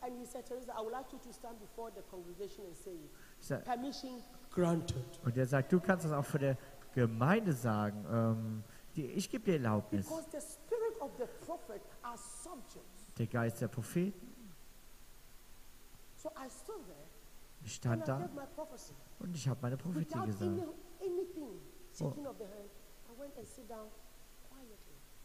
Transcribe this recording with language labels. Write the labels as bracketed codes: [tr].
[en] And he said, Theresa, I would like you to stand before the congregation and say, permission granted. [de] Und er sagt, du kannst das auch für der Gemeinde sagen. Ich gebe dir Erlaubnis. [en] Because the spirit of the prophet are subjects. [de] Der Geist der Propheten. [en] So I stood there. [de] Ich stand da. [en] My prophecy. [de] Und ich habe meine Prophetie [en] without [de] gesagt. [en] Anything, speaking of the hand, I went and sit down quietly.